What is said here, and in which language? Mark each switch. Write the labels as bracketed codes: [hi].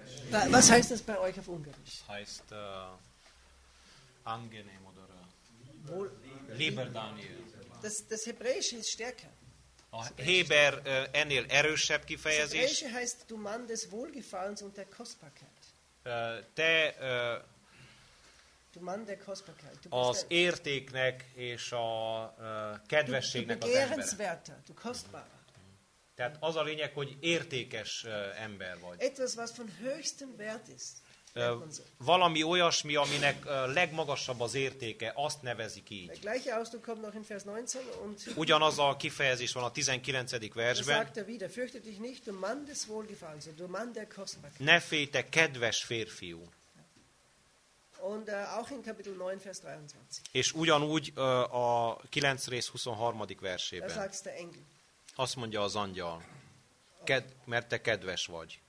[de] Was heißt das bei euch auf Ungarisch? Heißt angenehm oder lieber Daniel. Das Hebräische ist stärker. [hu] A Heber ennél erősebb kifejezés. [de] Das Hebräische heißt du Mann des Wohlgefallens und der Kostbarkeit. Du Mann der Kostbarkeit. [hu] Az értéknek és a kedvességnek [de] du, du begehrenswerter, du kostbarer. [hu] Tehát az a lényeg, hogy értékes ember vagy. [de] Etwas, was von höchstem Wert ist. [hu] Valami olyasmi, aminek legmagasabb az értéke, azt nevezik így. [de] Der gleiche Ausdruck kommt noch in Vers 19 und [hu] ugyanaz a kifejezés van a 19. versben. [de] Sagt er wieder, fürchte dich nicht, du Mann des Wohlgefallens, du Mann der Kostbarkeit. [hu] Ne félj, te kedves férfiú. [de] Und auch in Kapitel 9 Vers 23. [hu] És ugyanúgy a 9 rész 23. versében. [de] Da sagt der Engel. [hu] Azt mondja az angyal, mert te kedves vagy.